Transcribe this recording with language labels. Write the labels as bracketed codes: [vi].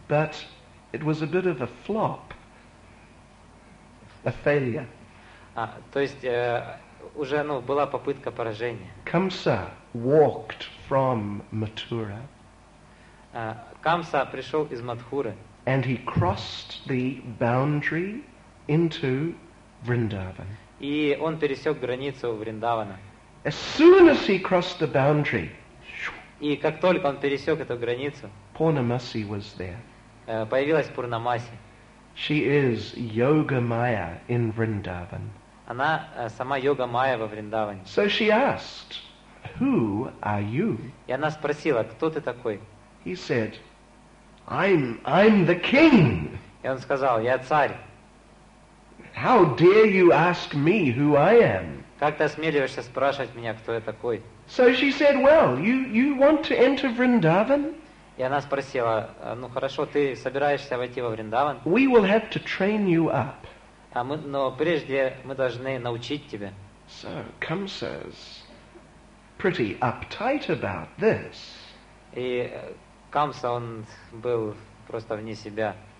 [en] But it was a bit of a flop, a failure. [ru] То есть уже была попытка поражения. [en] Камса walked from Mathura. [ru] Камса пришел из Матхуры. [en] And he crossed the boundary into Vrindavan. [ru] И он пересек границу Вриндавана. [en] As soon as he crossed the boundary, [ru] и как только он пересек эту границу, [en] Purnamasi was there. [ru] Появилась Пурнамаси. [en] She is Yoga Maya in Vrindavan. [ru] Она сама Йога Майя во Вриндаване. [en] So she asked, who are you? [ru] И она спросила, кто ты такой? [en] He said, I'm the king. [ru] И он сказал, я царь. [en] How dare you ask me who I am? [ru] Как ты осмеливаешься спрашивать меня, кто я такой? [en] So she said, well, you want to enter Vrindavan? [ru] И она спросила, ну хорошо, ты собираешься войти во Вриндаван? [en] We will have to train you up. [ru] А мы, но прежде мы должны научить тебя. [en] So Kamsa's pretty uptight about this. [ru] И Камса, он был просто вне себя.